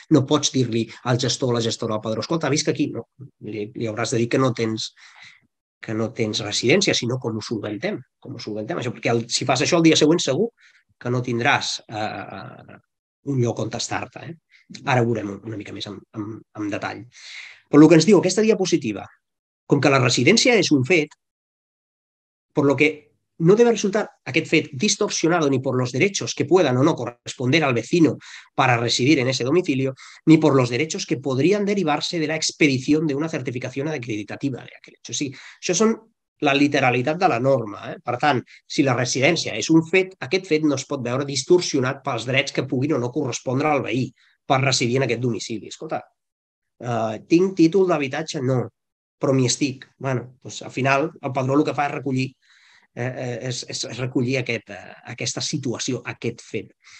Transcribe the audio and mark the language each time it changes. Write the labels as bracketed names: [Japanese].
[Catalan] No pots dir-li al gestor o la gestora del padró, escolta, visc aquí. No, li hauràs de dir que no tens residència, sinó com ho solventem. Com ho solventem això? Perquè si fas això el dia següent, segur que no tindràs un lloc on estar-te. Ara ho veurem una mica més en detall. Per el que ens diu aquesta diapositiva, com que la residència és un fet, [Spanish] per lo que no debe resultar [Catalan] aquest fet [Spanish] distorsionado ni por los derechos que puedan o no corresponder al vecino para residir en ese domicilio, ni por los derechos que podrían derivarse de la expedición de una certificación acreditativa de aquel hecho. [Catalan] Sí, això són la literalitat de la norma. Per tant, si la residència és un fet, aquest fet no es pot veure distorsionat pels drets que puguin o no correspondre al veí per residir en aquest domicili. Escolta, tinc títol d'habitatge? No, però m'hi estic. Bueno, doncs al final, el padró el que fa és recollir aquesta situació, aquest fet.